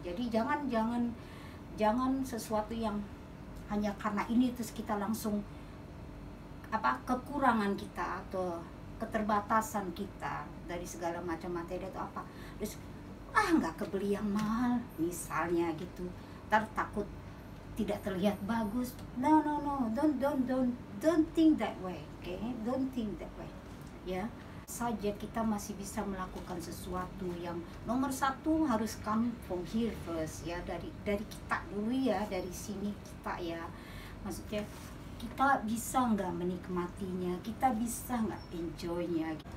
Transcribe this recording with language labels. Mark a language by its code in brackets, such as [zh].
[id] Jadi jangan sesuatu yang hanya karena ini terus kita langsung apa, kekurangan kita atau keterbatasan kita dari segala macam materi atau apa, terus nggak kebeli yang mahal misalnya gitu, ntar takut tidak terlihat bagus. [en] No, don't think that way, okay? Don't think that way, ya. [id] Saja kita masih bisa melakukan sesuatu, yang nomor satu harus [en] come from here first [id] ya, dari kita dulu ya, dari sini kita ya, maksudnya kita bisa nggak menikmatinya, kita bisa nggak enjoynya.